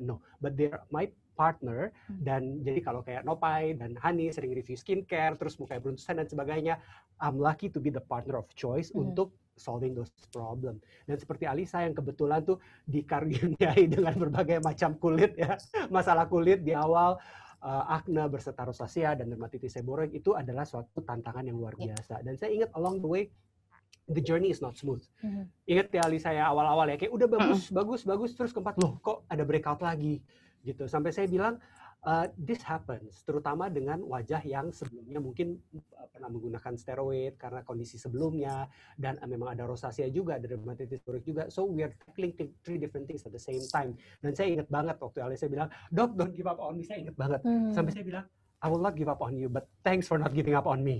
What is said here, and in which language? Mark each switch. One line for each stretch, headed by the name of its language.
English: No, but they're my partner.
Indonesian: Dan jadi kalau kayak Nopai dan Hani sering review skincare, terus mukanya beruntusan dan sebagainya,
English: I'm lucky to be the partner of choice
Indonesian: untuk
English: solving those problem.
Indonesian: Dan seperti Alisa yang kebetulan tuh dikaruniai dengan berbagai macam kulit ya, masalah kulit di awal, akne berserta rosacea dan dermatitis seborrheic, itu adalah suatu tantangan yang luar biasa. Dan saya ingat
English: along the way, the journey is not smooth.
Indonesian: Ingat ya Alisa ya, awal-awal ya, kayak udah bagus, bagus, bagus, terus keempat, loh kok ada breakout lagi? Gitu. Sampai saya bilang,
English: this happens,
Indonesian: terutama dengan wajah yang sebelumnya mungkin pernah menggunakan steroid karena kondisi sebelumnya, dan memang ada rosacea juga, ada dermatitis seborrheic juga,
English: so we are tackling three different things at the same time.
Indonesian: Dan saya ingat banget waktu Alisa bilang, "Dok,
English: don't give up on me,"
Indonesian: saya ingat banget. Sampai saya bilang,
English: "I will not give up on you, but thanks for not giving up on me."